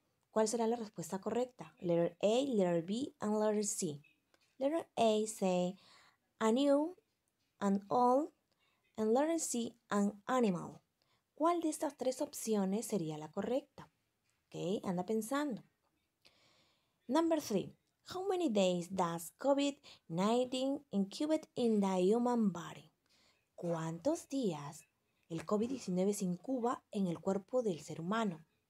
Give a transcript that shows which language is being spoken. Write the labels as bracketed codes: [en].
[es] ¿Cuál será la respuesta correcta? [en] Letter A, letter B, and letter C. Letter A say a new, an old, and letter C an animal. [es] ¿Cuál de estas tres opciones sería la correcta? [en] Okay, [es] anda pensando. [en] Number 3. How many days does COVID-19 incubate in the human body? [es] ¿Cuántos días el COVID-19 se incuba en el cuerpo del ser humano?